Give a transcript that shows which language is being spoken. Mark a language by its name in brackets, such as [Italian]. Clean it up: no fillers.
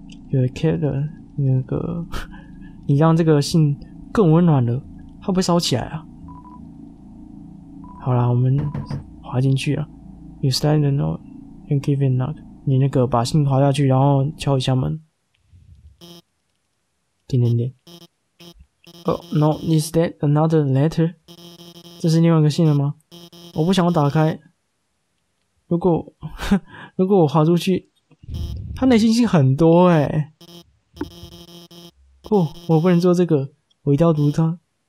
[Chinese] 有 Killer 那个你让这个信更温暖了，会不会烧起来啊？好啦，我们滑进去啦。 [English] You slide the note and give it knock， [Chinese] 你那个把信滑下去然后敲一下门，点点点。 [English] Oh no, is that another letter？ [Chinese] 这是另外一个信了吗？我不想要打开，如果我滑出去，他内心戏很多欸。不，我不能做这个，我一定要读他。